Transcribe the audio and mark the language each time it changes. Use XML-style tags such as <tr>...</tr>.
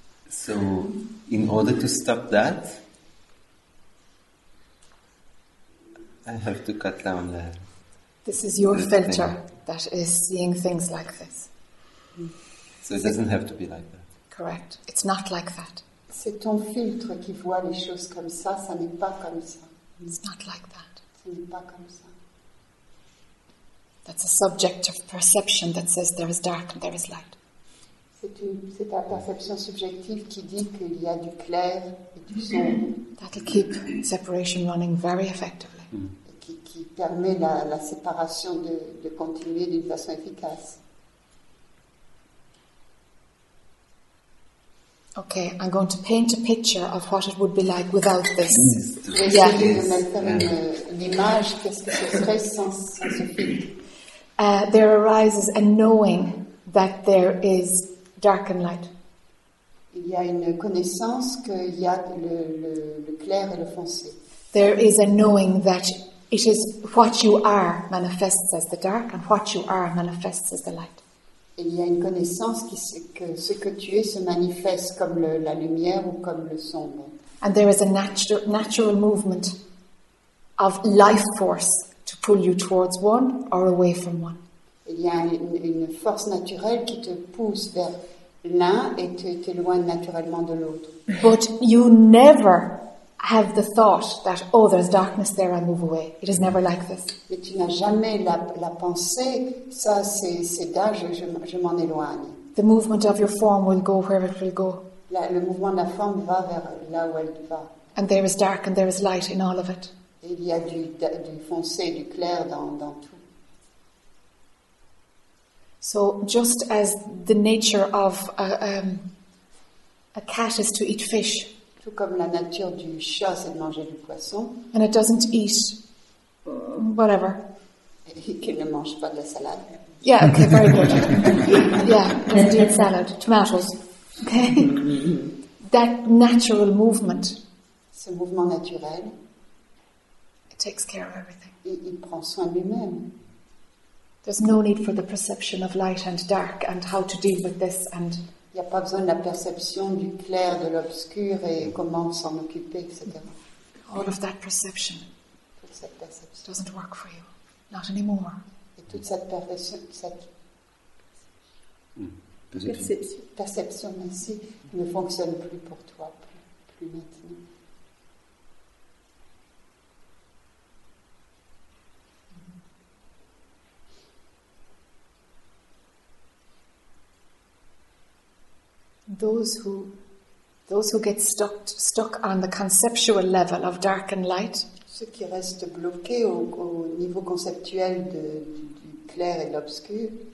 <en>So, in order to stop that, I have to cut down the... This is your filter that is seeing things like this. So it doesn't have to be like that. Correct. It's not like that.</en> <fr>C'est ton filtre qui voit les choses comme ça, ça n'est pas comme ça.</fr> <en>It's not like that.</en> <fr>Ça n'est pas comme ça.</fr> <en>That's a subjective perception that says there is dark and there is light.</en> <fr>C'est ta perception subjective qui dit qu'il y a du clair et du sombre.</fr> <en>That'll keep separation running very effectively.</en> <fr>Qui permet la séparation de continuer d'une façon efficace.</fr> <en>Okay, I'm going to paint a picture of what it would be like without this.</en> <fr>L'image, qu'est-ce que ce serait sans ce filtre.</fr> <en>There arises a knowing that there is dark and light.</en> <fr>Il y a une connaissance qu'il y a le clair et le foncé.</fr> <en>There is a knowing that it is what you are manifests as the dark, and what you are manifests as the light.</en> <fr>Il y a une connaissance qui sait que ce que tu es se manifeste comme la lumière ou comme le sombre.</fr> <en>And there is a natural movement of life force to pull you towards one or away from one.</en> <fr>Il y a une force naturelle qui te pousse vers l'un et te t'éloigne naturellement de l'autre.</fr> <en>But you never have the thought that, oh, there's darkness there, I move away. It is never like this.</en> <fr>Mais tu n'as jamais la pensée, ça c'est dark, je m'en éloigne.</fr> <en>The movement of your form will go where it will go.</en> <fr>Le mouvement de la forme va vers là où elle va.</fr> <en>And there is dark and there is light in all of it.</en> <fr>Et il y a du foncé, du clair dans tout.</fr> <en>So just as the nature of a cat is to eat fish,</en> <fr>comme la nature du chat, c'est de manger du poisson.</fr> <en>And it doesn't eat whatever.</en> <fr>Qu'il ne mange pas de la salade.</fr> <en>Yeah, okay, very good. Yeah, doesn't eat salad, tomatoes. Okay. That natural movement.</en> <fr>Ce mouvement naturel.</fr> <en>It takes care of everything.</en> <fr>Il prend soin de lui-même.</fr> <en>There's no need for the perception of light and dark and how to deal with this and...</en> <fr>Il n'y a pas besoin de la perception du clair, de l'obscur et comment s'en occuper, etc.</fr> <en>All of that perception,</en> <fr>toute cette perception</fr> <en>doesn't work for you. Not anymore.</en> <fr>Et toute cette perception, perception ainsi ne fonctionne plus pour toi, plus maintenant.</fr> <en>those who get stuck on the conceptual level of dark and light,</en> <fr>ceux qui restent bloqués au niveau conceptuel du clair et de l'obscur,</fr>